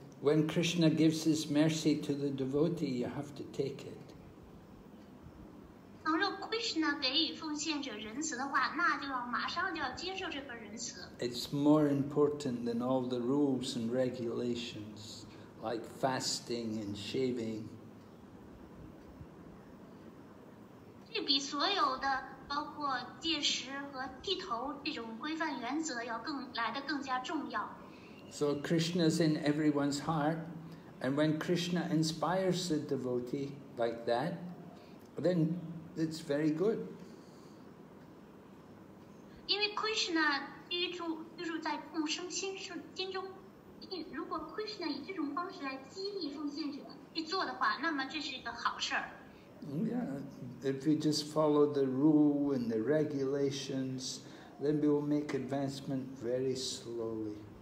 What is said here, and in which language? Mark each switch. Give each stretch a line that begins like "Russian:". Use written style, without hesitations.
English: When Krishna gives his mercy to the devotee, you have to take it.
Chinese: 倘若 Krishna 给予奉献者仁慈的话，那就要马上就要接受这份仁慈。
English: It's more important than all the rules and regulations, like fasting and shaving.
Chinese: 这比所有的包括戒食和剃头这种规范原则要更来得更加重要。
English: So Krishna's in everyone's heart, and when Krishna inspires the devotee like that, then it's very good. Yeah, if we just follow the rule and the regulations, then we will make advancement very slowly.